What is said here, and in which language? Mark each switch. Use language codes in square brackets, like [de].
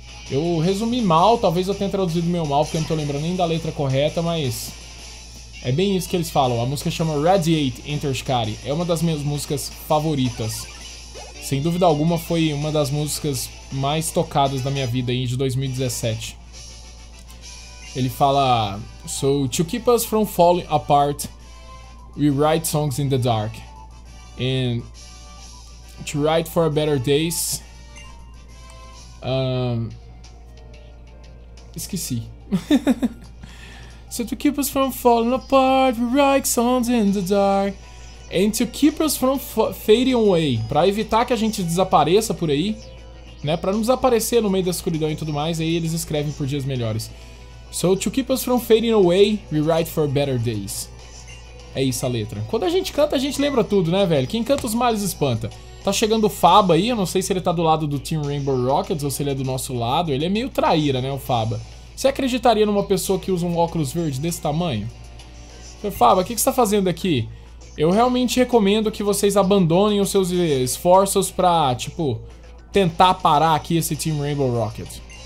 [pt] Eu resumi mal, talvez eu tenha traduzido meu mal, porque eu não tô lembrando nem da letra correta, mas... É bem isso que eles falam. A música chama Radiate, Interscari. É uma das minhas músicas favoritas. Sem dúvida alguma, foi uma das músicas mais tocadas da minha vida aí, de 2017. Ele fala... [en] So, to keep us from falling apart, we write songs in the dark. And to write for a better days... [pt] Esqueci. [en] So to keep us from falling apart, we write songs in the dark. And to keep us from fading away. [pt] Pra evitar que a gente desapareça por aí, né? Pra não desaparecer no meio da escuridão e tudo mais, aí eles escrevem por dias melhores. [en] So to keep us from fading away, we write for better days. [pt] É isso a letra. Quando a gente canta, a gente lembra tudo, né, velho? Quem canta os males espanta. Tá chegando o Faba aí, eu não sei se ele tá do lado do Team Rainbow Rockets ou se ele é do nosso lado. Ele é meio traíra, né, o Faba. Você acreditaria numa pessoa que usa um óculos verde desse tamanho? Faba, o que você tá fazendo aqui? Eu realmente recomendo que vocês abandonem os seus esforços pra, tipo, tentar parar aqui esse Team Rainbow Rockets.